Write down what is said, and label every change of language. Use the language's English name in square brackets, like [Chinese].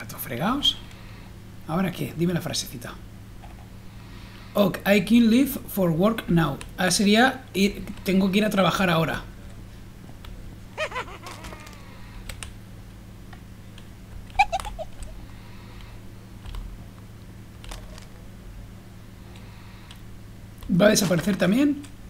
[Spanish] Fregaos. Ahora qué, dime la frasecita. [English] Ok, I can leave for work now. [Spanish] Ah, sería ir, tengo que ir a trabajar ahora. ¿Va a desaparecer también?